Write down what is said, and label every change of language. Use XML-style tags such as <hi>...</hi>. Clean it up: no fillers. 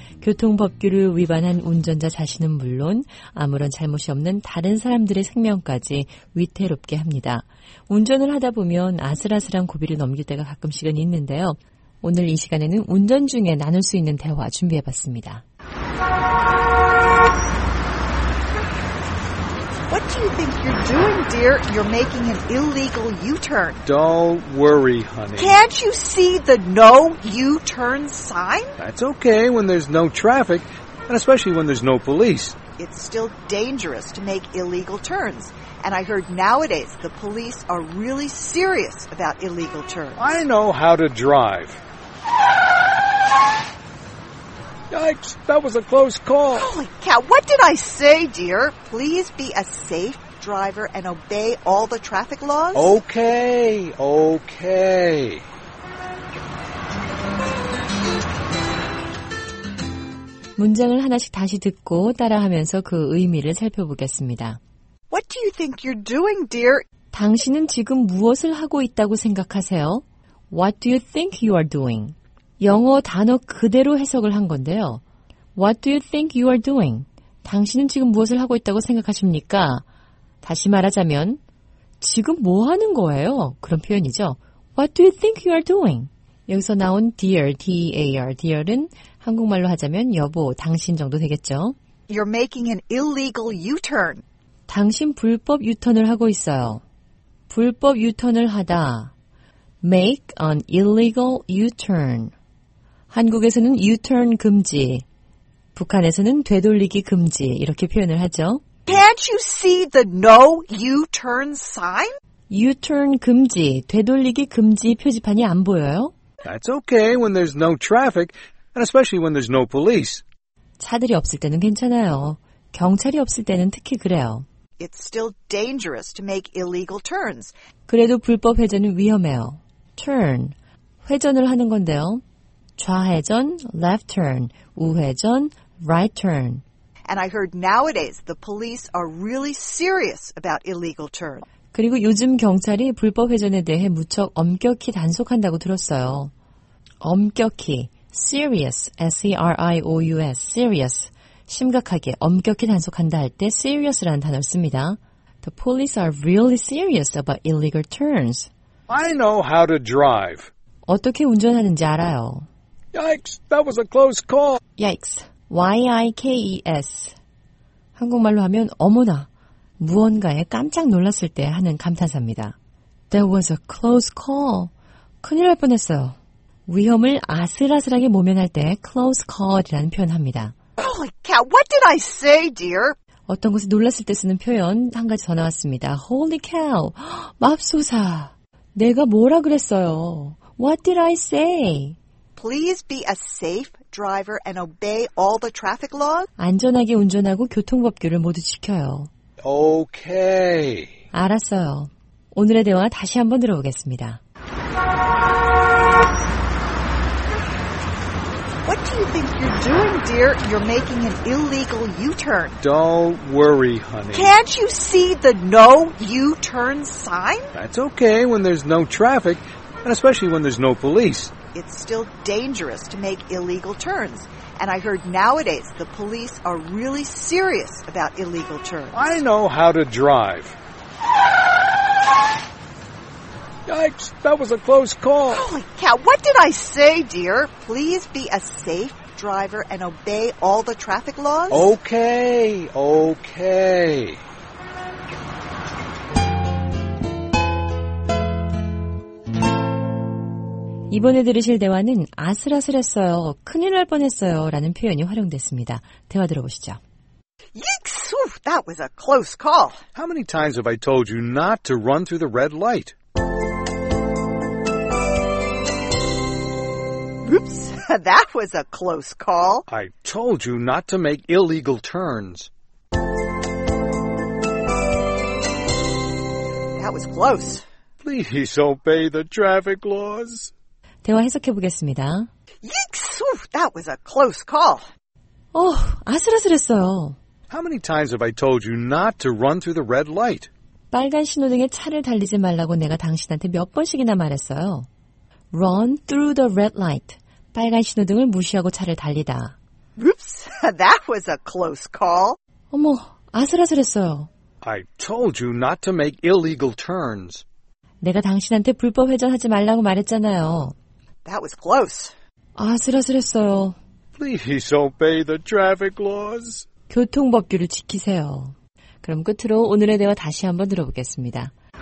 <ko>교통법규를 위반한 운전자 자신은 물론 아무런 잘못이 없는 다른 사람들의 생명까지 위태롭게 합니다. 운전을 하다 보면 아슬아슬한 고비를 넘길 때가 가끔씩은 있는데요. 오늘 이 시간에는 운전 중에 나눌 수 있는 대화 준비해봤습니다.</ko> <en>What do you think you're doing, dear? You're making an illegal U-turn. Don't worry, honey. Can't you see the no U-turn sign? That's okay when there's no traffic, and especially when there's no police. It's still dangerous to make illegal turns. And I heard nowadays the police are really serious about illegal turns. I know how to drive. Yikes, that was a close call. Holy cow, what did I say, dear? Please be a safe driver and obey all the traffic laws? Okay, okay.</en> <ko>문장을 하나씩 다시 듣고 따라하면서 그 의미를 살펴보겠습니다.</ko> <en>What do you think you're doing, dear?</en> <ko>당신은 지금 무엇을 하고 있다고 생각하세요?</ko> <en>What do you think you are doing?</en> <ko>영어 단어 그대로 해석을 한 건데요.</ko> <en>What do you think you are doing?</en> <ko>당신은 지금 무엇을 하고 있다고 생각하십니까? 다시 말하자면, 지금 뭐 하는 거예요? 그런 표현이죠.</ko> <en>What do you think you are doing?</en> <ko>여기서 나온 dear, D-E-A-R, dear은 한국말로 하자면 여보, 당신 정도 되겠죠.</ko> <en>You're making an illegal U-turn.</en> <ko>당신 불법 U-turn을 하고 있어요. 불법 U-turn을 하다.</ko> <en>Make an illegal U-turn.</en> <ko>한국에서는 U-turn 금지, 북한에서는 되돌리기 금지 이렇게 표현을 하죠.</ko> <en>Can't you see the no U-turn sign?</en> <ko>U-turn 금지, 되돌리기 금지 표지판이 안 보여요?</ko> <en>That's okay when there's no traffic, and especially when there's no police.</en> <ko>차들이 없을 때는 괜찮아요. 경찰이 없을 때는 특히 그래요.</ko> <en>It's still dangerous to make illegal turns.</en> <ko>그래도 불법 회전은 위험해요. Turn, 회전을 하는 건데요. 좌회전,</ko> <en>left turn,</en> <ko>우회전,</ko> <en>right turn. And I heard nowadays the police are really serious about illegal turns.</en> <ko>그리고 요즘 경찰이 불법 회전에 대해 무척 엄격히 단속한다고 들었어요. 엄격히, serious, S-E-R-I-O-U-S, serious. 심각하게, 엄격히 단속한다 할 때 serious라는 단어를 씁니다.</ko> <en>The police are really serious about illegal turns. I know how to drive.</en> <ko>어떻게 운전하는지 알아요.</ko> <en>Yikes, that was a close call. Yikes, Y-I-K-E-S.</en> <ko>한국말로 하면 어머나, 무언가에 깜짝 놀랐을 때 하는 감탄사입니다.</ko> <en>That was a close call.</en> <ko>큰일 날 뻔했어요. 위험을 아슬아슬하게 모면할 때 close call이라는 표현합니다.</ko> <en>Holy cow, what did I say, dear?</en> <ko>어떤 것에 놀랐을 때 쓰는 표현 한 가지 더 나왔습니다.</ko> <en>Holy cow,</en> <ko>맙소사. 내가 뭐라 그랬어요?</ko> <en>What did I say? Please be a safe driver and obey all the traffic laws.</en> <ko>안전하게 운전하고 교통법규를 모두 지켜요.</ko> <en>Okay.</en> <ko>알았어요. 오늘의 대화 다시 한번 들어보겠습니다.</ko> <en>What do you think you're doing, dear? You're making an illegal U-turn. Don't worry, honey. Can't you see the no U-turn sign? That's okay when there's no traffic, and especially when there's no police. It's still dangerous to make illegal turns. And I heard nowadays the police are really serious about illegal turns. I know how to drive. Yikes, that was a close call. Holy cow, what did I say, dear? Please be a safe driver and obey all the traffic laws? Okay, okay.</en> <ko>이번에 들으실 대화는 아슬아슬했어요, 큰일 날 뻔했어요 라는 표현이 활용됐습니다. 대화 들어보시죠.</ko> <en>Yikes, that was a close call. How many times have I told you not to run through the red light? Oops, that was a close call. I told you not to make illegal turns. That was close. Please obey the traffic laws.</en> <ko>대화 해석해 보겠습니다.</ko> <en>Yikes! That was a close call.</en> <ko>Oh, 아슬아슬했어요.</ko> <en>How many times have I told you not to run through the red light?</en> <ko>빨간 신호등에 차를 달리지 말라고 내가 당신한테 몇 번씩이나 말했어요.</ko> <en>Run through the red light.</en> <ko>빨간 신호등을 무시하고 차를 달리다.</ko> <en>Oops, that was a close call.</en> <ko>어머, 아슬아슬했어요.</ko> <en>I told you not to make illegal turns.</en> <ko>내가 당신한테 불법 회전하지 말라고 말했잖아요.</ko> <en>That was close.</en> <ko>아슬아슬했어요.</ko> <en>Please obey the traffic laws.</en> <ko>교통법규를 지키세요. 그럼 끝으로 오늘의 대화 다시 한번 들어보겠습니다.</ko>